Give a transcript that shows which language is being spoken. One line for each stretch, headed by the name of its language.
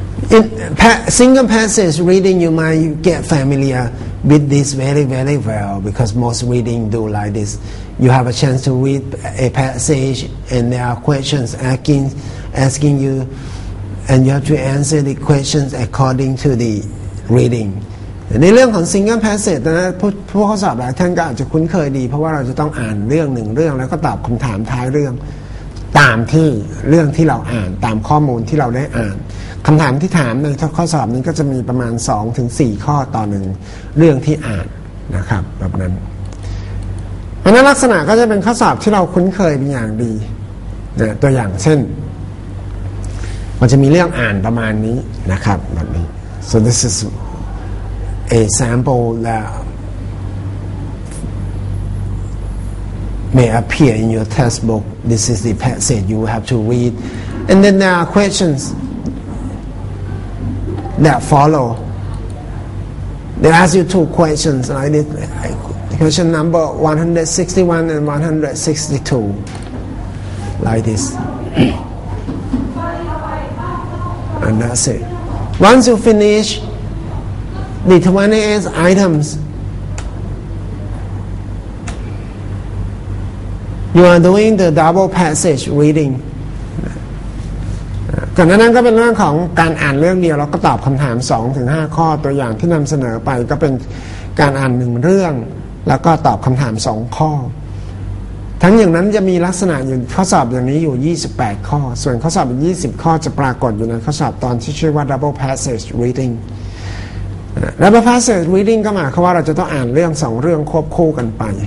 English: In single passage reading, you might get familiar with this very, very well, because most reading do like this. You have a chance to read a passage, and there are questions asking you, and you have to answer the questions according to the reading.
Thai: ในเรื่องของ single passage นะผู้ข้อสอบหลายท่านก็อาจจะคุ้นเคยดีเพราะว่าเราจะต้องอ่านเรื่องหนึ่งเรื่องแล้วก็ตอบคำถามท้ายเรื่องตามที่เรื่องที่เราอ่านตามข้อมูลที่เราได้อ่านคำถามที่ถามในข้อสอบนี้ก็จะมีประมาณ 2-4 ข้อต่อหนึ่งเรื่องที่อ่านนะครับแบบนั้น อันนั้นลักษณะก็จะเป็นข้อสอบที่เราคุ้นเคยเป็นอย่างดีนะตัวอย่างเช่นมันจะมีเรื่องอ่านประมาณนี้นะครับแบบนี้
English: So this is a sample that may appear in your textbook. This is the passage you have to read. And then there are questionsThat follow. They ask you two questions. Like this, question number 161 and 162, like this. And that's it. Once you finish the 28 items, you are doing the double passage reading.
Thai: ก่อนหน้านั้นก็เป็นเรื่องของการอ่านเรื่องเดียวแล้วก็ตอบคำถาม 2-5 ข้อตัวอย่างที่นำเสนอไปก็เป็นการอ่านหนึ่งเรื่องแล้วก็ตอบคำถาม2ข้อทั้งอย่างนั้นจะมีลักษณะอยู่ข้อสอบอย่างนี้อยู่28ข้อส่วนข้อสอบอีก20ข้อจะปรากฏอยู่ในข้อสอบตอนที่ชื่อว่า Double Passage Reading Double Passage Reading ก็หมายความว่าเราจะต้องอ่านเรื่อง2เรื่องควบคู่กันไป